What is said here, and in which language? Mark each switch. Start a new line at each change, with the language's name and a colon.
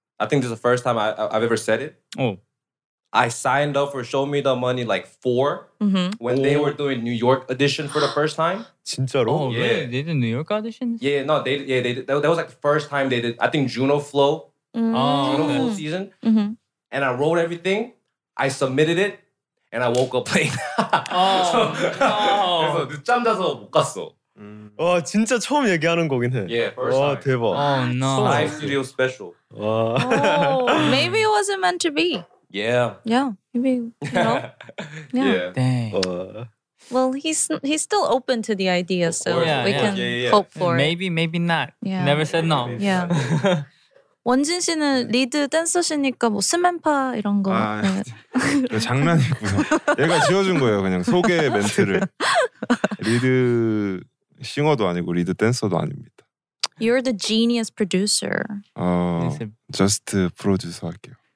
English: I think this is the first time I've ever said it. I signed up for Show Me The Money like 4 when they were doing New York edition for the first time.
Korean: 진짜로?
English: Oh, yeah. Really? They did New York audition? Yeah, no, they did. That was like the first time they did. I think Juno Flow. Juno Flow season. And I wrote everything, I submitted it, and I woke up late.
Korean: 그래서 늦잠 자서 못 갔어. 와 진짜 처음 얘기하는 거긴 해.
English: Yeah, first time.
Korean: 대박.
English: Oh no. Live studio special. Maybe it wasn't meant to be. Yeah. Yeah. Maybe, you know? Yeah. Dang. Well, he's still open to the idea, so we can hope for it. Maybe not. Yeah. Never said no. Yeah.
Korean: 원진 씨는 리드 댄서시니까 뭐 스맨파 이런 거. 아, 장난이구나. 얘가 지어준 거예요. 그냥 소개 멘트를. 리드 싱어도 아니고 리드 댄서도 아닙니다.
English: You're the genius producer. Just
Korean: 프로듀서 할게요.